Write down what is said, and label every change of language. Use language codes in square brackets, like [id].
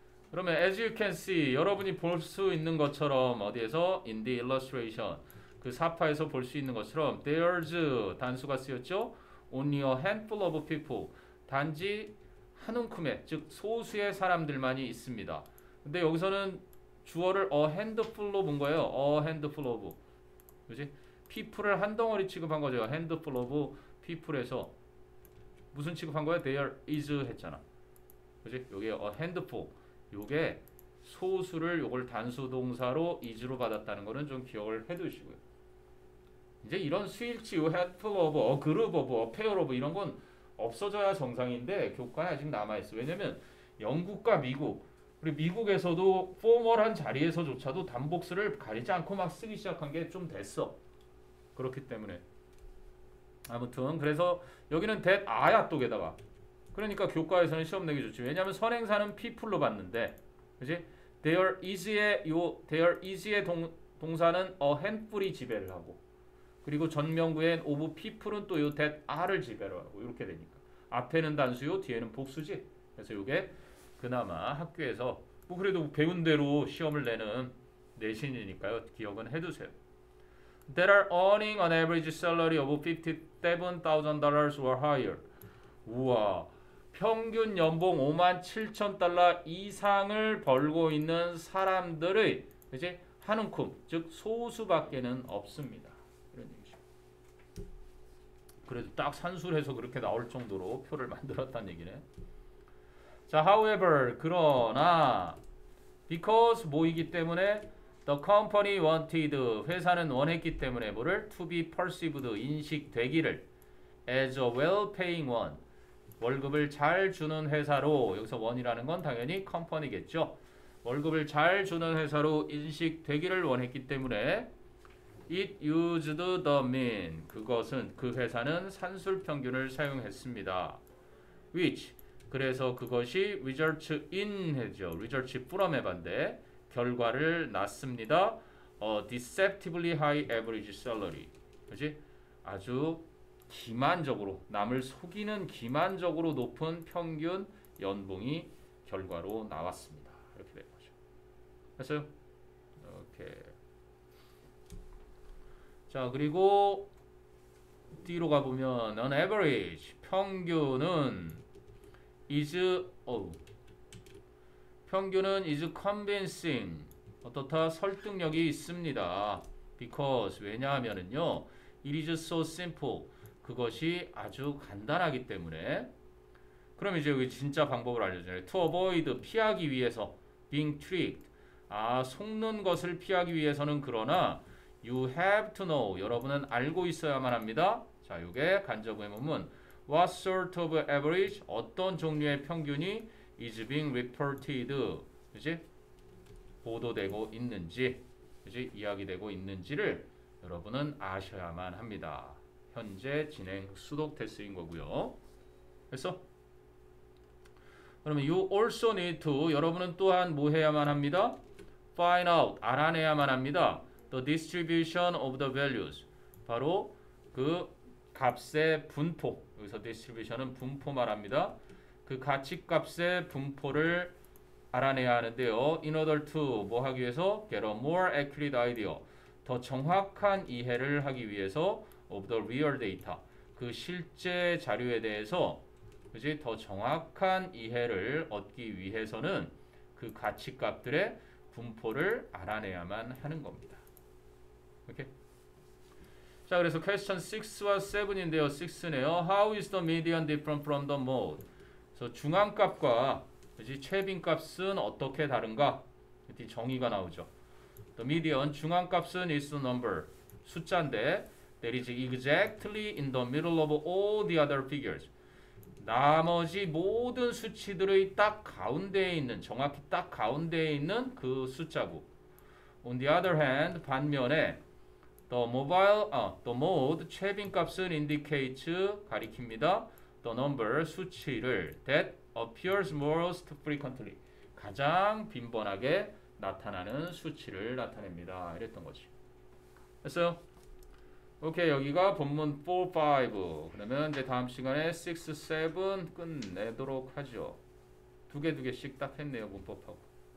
[ko] 그러면 [en] as you can see [ko] 여러분이 볼 수 있는 것처럼 어디에서 [en] in the illustration [ko] 그 사파에서 볼 수 있는 것처럼 there's 단수가 쓰였죠. [en] Only a handful of people [ko] 단지 한 움큼의 즉 소수의 사람들만이 있습니다. 근데 여기서는 주어를 a handful로 본 거예요. [en] a handful of [ko] 그지? people을 한 덩어리 취급한 거죠. [en] handful of people [ko] 에서 무슨 취급한 거야? [en] There is [ko] 했잖아. 그지? 요게 [en] a handful. [ko] 요게 소수를 요걸 단수동사로 is로 받았다는 거는 좀 기억을 해두시고요. 이제 이런 수일치, [en] handful of, a group of, a pair of [ko] 이런 건 없어져야 정상인데 교과에 아직 남아있어. 왜냐면 영국과 미국, 그리고 미국에서도 포멀한 자리에서조차도 단복수를 가리지 않고 막 쓰기 시작한 게 좀 됐어. 그렇기 때문에. 아무튼 그래서 여기는 that 아야 또 게다가 그러니까 교과에서는 시험 내기 좋지. 왜냐하면 선행사는 people로 봤는데 그지? [en] there is [ko] 의 요 there is의 동사는 a handful이 지배를 하고 그리고 전명구엔 [en] of people [ko] 은 또 요 [en] that are [ko] 를 지배를 하고 이렇게 되니까 앞에는 단수요 뒤에는 복수지. 그래서 요게 그나마 학교에서 뭐 그래도 배운 대로 시험을 내는 내신이니까요 기억은 해두세요. [en] That are earning an average salary of $57,000 or higher. [ko] 우와, 평균 연봉 $57,000 이상을 벌고 있는 사람들의 그지 한 움큼, 즉 소수밖에는 없습니다. 그래도 딱 산술해서 그렇게 나올 정도로 표를 만들었다는 얘기네. 자, however, 그러나, because 뭐이기 때문에, [en] the company wanted, [ko] 회사는 원했기 때문에 뭐를 [en] to be perceived, [ko] 인식되기를 [en] as a well-paying one, [ko] 월급을 잘 주는 회사로, 여기서 원이라는 건 당연히 company겠죠. 월급을 잘 주는 회사로 인식되기를 원했기 때문에 [en] it used the mean, [ko] 그것은 그 회사는 산술 평균을 사용했습니다. which, 그래서 그것이 [en] results in, [ko] 해죠. [en] results from [ko] 의 반대, 결과를 낳습니다. [en] Deceptively high average salary, [ko] 그렇지? 아주 기만적으로, 남을 속이는 기만적으로 높은 평균 연봉이 결과로 나왔습니다. 이렇게 된 거죠. 됐어요? 오케이. [en] 자, 그리고 뒤로 가보면 on average, [ko] 평균은 [en] is, 평균은 is convincing, [ko] 어떻다? 설득력이 있습니다. Because, 왜냐하면은요, [en] it is so simple, [ko] 그것이 아주 간단하기 때문에. 그럼 이제 여기 진짜 방법을 알려주잖아요. [en] To avoid, [ko] 피하기 위해서, [en] being tricked, [ko] 아, 속는 것을 피하기 위해서는. 그러나 [en] you have to know, [ko] 여러분은 알고 있어야만 합니다. 자, 이게 간접의 문문. [en] What sort of average, [ko] 어떤 종류의 평균이 [en] is being reported, [ko] 그지? 보도되고 있는지, 그지? 이야기되고 있는지를 여러분은 아셔야만 합니다. 현재 진행 수독 테스트인 거고요. 됐어? 그러면 [en] you also need to, [ko] 여러분은 또한 뭐 해야만 합니다? [en] Find out, [ko] 알아내야만 합니다. [en] The distribution of the values, [ko] 바로 그 값의 분포, 여기서 distribution은 분포 말합니다. 그 가치값의 분포를 알아내야 하는데요. [en] In order to, [ko] 뭐 하기 위해서? [en] Get a more accurate idea, [ko] 더 정확한 이해를 하기 위해서. [en] Of the real data, [ko] 그 실제 자료에 대해서, 그지? 더 정확한 이해를 얻기 위해서는 그 가치값들의 분포를 알아내야만 하는 겁니다. 오케이? 자, 그래서 question 6와 7인데요. 6네요. [en] How is the median different from the mode? [ko] 그래서 중앙값과 최빈값은 어떻게 다른가? 이렇게 정의가 나오죠. [en] The median, [ko] 중앙값은 [en] is the number, [ko] 숫자인데 [en] that is exactly in the middle of all the other figures, [ko] 나머지 모든 수치들의 딱 가운데에 있는, 정확히 딱 가운데에 있는 그 숫자고. [en] On the other hand, [ko] 반면에 [en] the mode, [ko] 최빈값은 [en] indicates, [ko] 가리킵니다. [en] The number, [ko] 수치를, [en] that appears most frequently, [ko] 가장 빈번하게 나타나는 수치를 나타냅니다. 이랬던 거지. 됐어요? 오케이, 여기가 본문 4, 5. 그러면 이제 다음 시간에 6, 7 끝내도록 하죠. 두 개씩 딱 했네요, 문법하고.